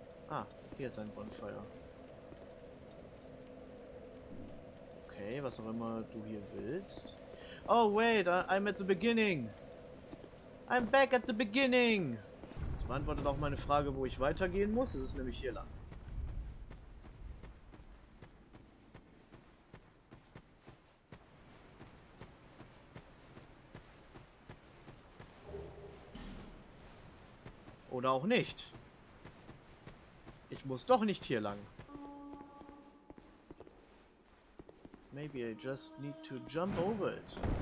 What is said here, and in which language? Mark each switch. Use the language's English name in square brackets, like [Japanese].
[German] Ah, hier ist ein Bonfire. Okay, was auch immer du hier willst. [English] Oh, wait, I'm at the beginning. I'm back at the beginning. [German] Beantwortet auch meine Frage, wo ich weitergehen muss. Es ist nämlich hier lang. Oder auch nicht. Ich muss doch nicht hier lang. [English] Maybe I just need to jump over it.